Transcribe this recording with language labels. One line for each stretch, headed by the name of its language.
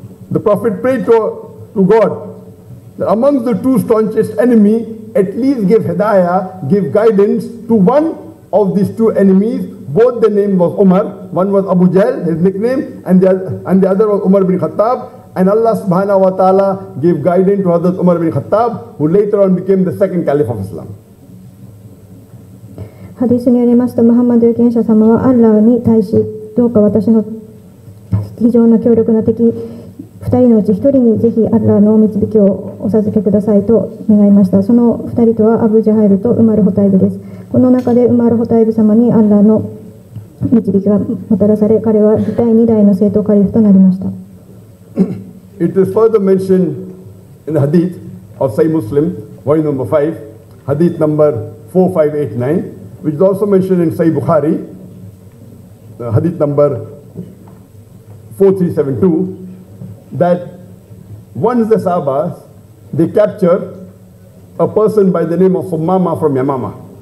English: The Prophet prayed to God that amongst the two staunchest enemies,At least give hidayah, give guidance to one of these two enemies. Both the name was Umar. One was Abu Jahl, his nickname, and the other was Umar bin Khattab. And Allah subhanahu wa ta'ala gave guidance to Hazrat Umar bin Khattab, who later on became the second caliph of Islam.
Japanese: Hadith によりますと、ムハンマド預言者様はアッラーに対し、どうか私の非常な強力な敵、2人のうち1人にぜひアッラーの導きをお授けくださいと願いました。その2人とはアブ・ジャハイルとウマル・ホタイブです。この中でウマル・ホタイブ様にアッラーの導きがもたらされ、彼は第2代の正統カリフとなりました。
English: It is further mentioned in the Hadith of Sahih Muslim, volume number 5, Hadith number 4589, which is also mentioned in Sahih Bukhari, Hadith number 4372,That once the Sahabas, they capture a person by the name of Sumama from Yamama.